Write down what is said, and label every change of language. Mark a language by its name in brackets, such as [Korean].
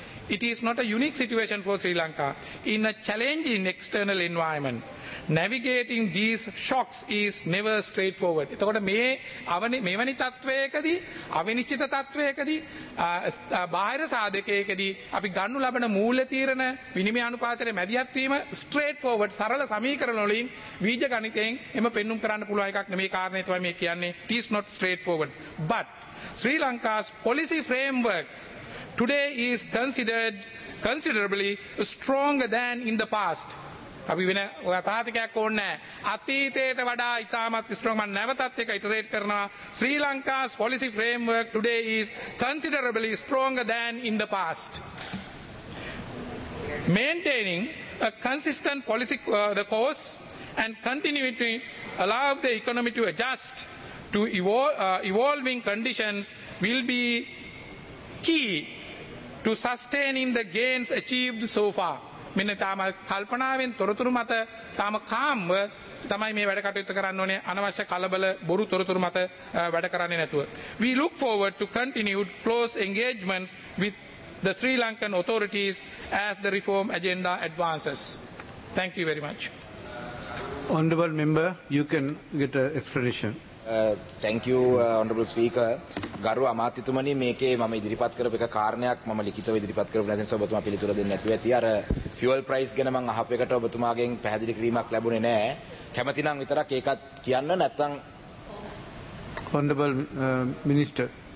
[English] It is not a unique situation for Sri Lanka. In a challenging external environment, navigating these shocks is never straightforward. [Sinhala] එතකොට මේ මෙවැනි තත්වයකදී අවිනිශ්චිත තත්වයකදී බාහිර සාධකයකදී අපි ගන්නු ලබන මූල්‍ය තීරණ විනිමය අනුපාතයේ මැදිහත් වීම straightforward සරල සමීකරණ වලින් වීජ ගණිතයෙන් එම පෙන්눔 කරන්න පුළුවන් එකක් නෙමේ කාරණේ තමයි මේ කියන්නේ. [English] It is not straightforward. But Sri Lanka's policy framework today is considerably stronger than in the past. [Sinhala] අපි වෙන යථාර්ථිකයක් ඕනේ නැහැ. අතීතයට වඩා ඉතාමත් ස්ට්‍රොංග් මම නැවතත් එක iterate කරනවා. [English] Sri Lanka's policy framework today is considerably stronger than in the past. Maintaining a consistent policy the course and continuity allow the economy to adjust to evolving conditions will be key to sustaining the gains achieved so far. [Sinhala] මෙන්න තාම කල්පනාවෙන් තොරතුරු මත තාම කාම්ව තමයි මේ වැඩ කටයුතු කරන්න ඕනේ අනවශ්‍ය කලබල බොරු තොරතුරු මත වැඩ කරන්නේ නැතුව. [English] We look forward to continued close engagements with the Sri Lankan authorities as the reform agenda advances. Thank you very much. Honorable member, you can get an explanation. Thank you, Honorable Speaker. [Sinhala] ගරු අමාත්‍යතුමනි මේකේ මම ඉදිරිපත් කරපු එක කාරණයක් මම ලිඛිතව ඉදිරිපත් කරපු නැතිනම් ඔබතුමා පිළිතුර දෙන්න නැතුව ඇති අර [English] fuel price [Sinhala] ගැන මම අහපු එකට ඔබතුමාගෙන් පැහැදිලි කිරීමක් ලැබුණේ නැහැ කැමතිනම් විතරක් ඒකත් කියන්න නැත්නම් [English] honourable minister